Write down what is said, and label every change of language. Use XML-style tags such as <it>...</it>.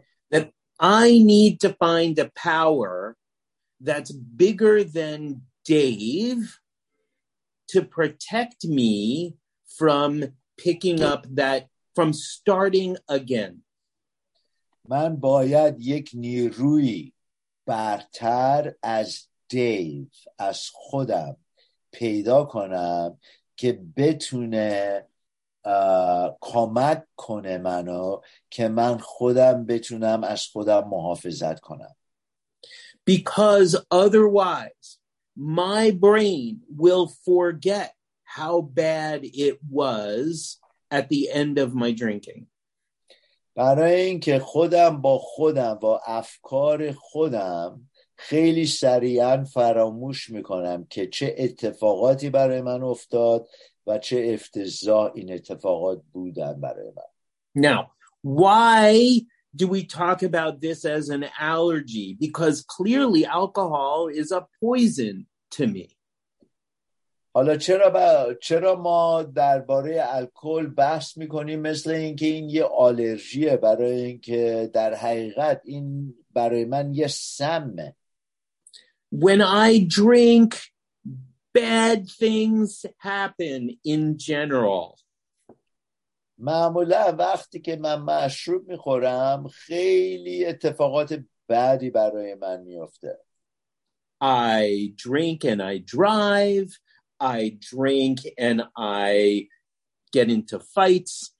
<en>That I need to find a power that's bigger than Dave to protect me from picking up that from starting again</en> <fa>من باید یک نیروی برتر از دیو از خودم پیدا کنم که بتونه کمک کنه منو که من خودم بتونم از خودم محافظت کنم</fa> <en>because otherwise my brain will forget how bad it was at the end of my drinking</en> <fa>برای اینکه خودم با خودم با افکار خودم خیلی سریعا فراموش میکنم که چه اتفاقاتی برای من افتاد و چه افتضاح این اتفاقات بودن برای من</fa> <en>Now why do we talk about this as an allergy because clearly alcohol is a poison to me</en> <fa>حالا چرا ما درباره الکل بحث میکنیم مثل اینکه این یه آلرژیه برای اینکه در حقیقت این برای من یه سمه</fa> <en>When I drink bad things happen in general</en> <fa>معمولا وقتی که من مشروب میخورم خیلی اتفاقات بدی برای من میفته</fa> <en>I drink and I drive I drink and I get into fights.</en>